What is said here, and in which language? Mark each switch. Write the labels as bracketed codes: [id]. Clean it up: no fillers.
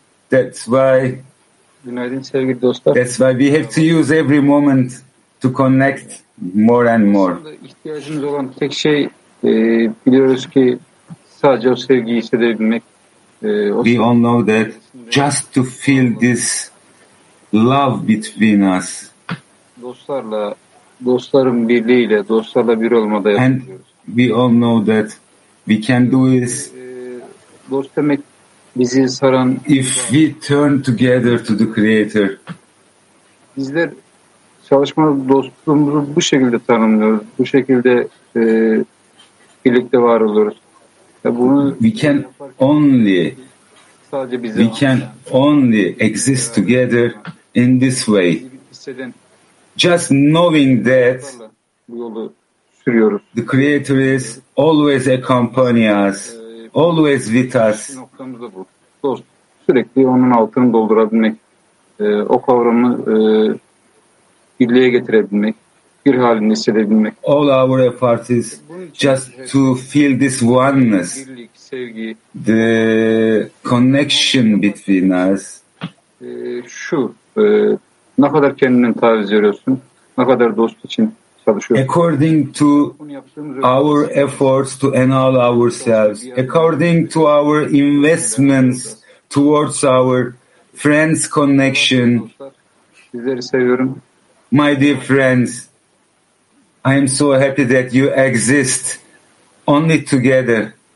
[en] That's why we have to use every moment to connect more and more. [tr] İhtiyacımız olan tek şey biliyoruz ki sadece o sevgiyi hissedebilmek. [en] We all know that just to feel this love between us. [tr] Dostlarla, dostların birliğiyle, dostlarla bir olmada yapıyoruz. [en] And we all know that we can do this. [tr] Dost demek bizi saran. [en] If we turn together to the Creator. [tr] Bizler çalışma dostluğumuzu bu şekilde tanımlıyoruz. Bu şekilde birlikte var oluruz. Bunu [en] we can only [tr] sadece biz [en] we can only exist together in this way. Just knowing that [tr] bu yolu sürüyoruz. [en] The Creator is always accompany us, always with us. [tr] Dost sürekli onun altını doldurabilmek, o kavramı birliğe getirebilmek, bir halini hissedebilmek. [en] All our effort is just to feel this oneness, [tr] birlik, sevgi, [en] the connection between us. [tr] Şu, ne kadar kendinden taviz veriyorsun, ne kadar dost için çalışıyorsun. [en] According to our efforts to annul ourselves, according to our investments towards our friends' connection. [tr] Sizleri seviyorum. [en] My dear friends, I am so happy that you exist only together.